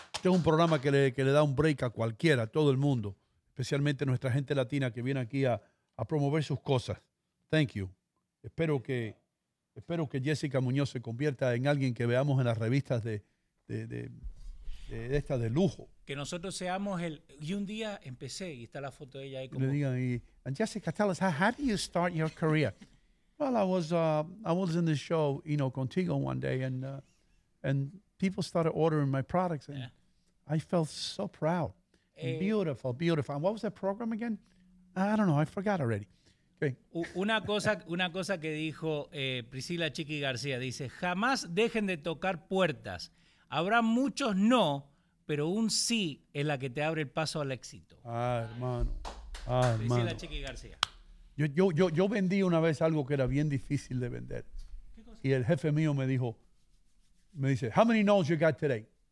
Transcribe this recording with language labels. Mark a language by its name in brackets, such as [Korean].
[Spanish] Este es un programa que le da un break a cualquiera, a todo el mundo, especialmente nuestra gente latina que viene aquí a promover sus cosas. [English] Thank you. [Spanish] Espero que Jessica Muñoz se convierta en alguien que veamos en las revistas de estas de lujo. Que nosotros seamos el... Y un día empecé, y está la foto de ella ahí como... Le digan, [English] and Jessica, tell us, how do you start your career? Well, I was in the show, you know, Contigo one day, and people started ordering my products, and I felt so proud. And beautiful, beautiful. And what was that program again? I don't know. I forgot already. Okay. [Spanish] Una cosa que dijo Priscila Chiqui García, dice, jamás dejen de tocar puertas. Habrá muchos no, pero un sí es la que te abre el paso al éxito. Ah, hermano. Priscila Chiqui García. Yo vendí una vez algo que era bien difícil de vender. Y el jefe mío me dice, [English] how many no's you got today?